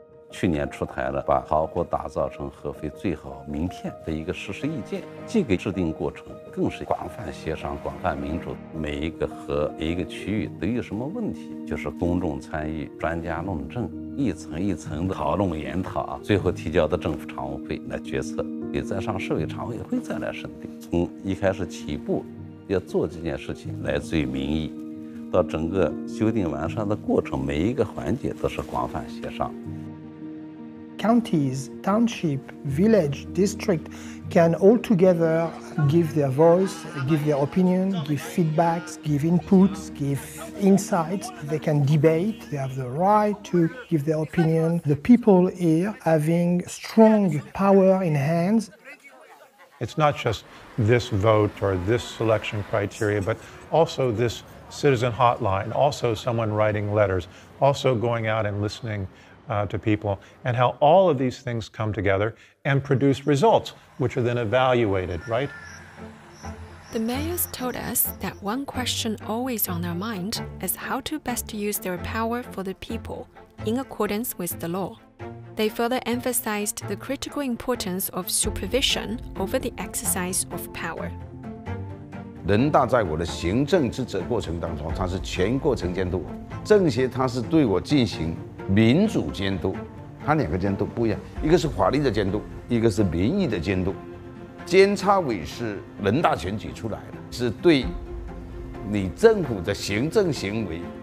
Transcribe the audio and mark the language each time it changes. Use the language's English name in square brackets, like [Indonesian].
[Chinese] 去年出台了把巢湖打造成合肥最好名片的一个实施意见，这个制定过程更是广泛协商、广泛民主，每一个河、一个区域都有什么问题，就是公众参与、专家论证，一层一层的讨论研讨啊，最后提交到政府常务会来决策，也再上市委常委会再来审定。从一开始起步要做这件事情，来自于民意，到整个修订完善的过程，每一个环节都是广泛协商。 [English] Counties, township, village, district can all together give their voice, give their opinion, give feedbacks, give inputs, give insights. They can debate, they have the right to give their opinion. The people here having strong power in hands. It's not just this vote or this selection criteria, but also this citizen hotline, also someone writing letters, also going out and listening to people, and how all of these things come together and produce results, which are then evaluated, right? The mayors told us that one question always on their mind is how to best use their power for the people in accordance with the law. They further emphasized the critical importance of supervision over the exercise of power. [Chinese] 人大在我的行政职责过程当中，它是全过程监督，政协它是对我进行民主监督，它两个监督不一样，一个是法律的监督，一个是民意的监督。监察委是人大选举出来的，是对你政府的行政行为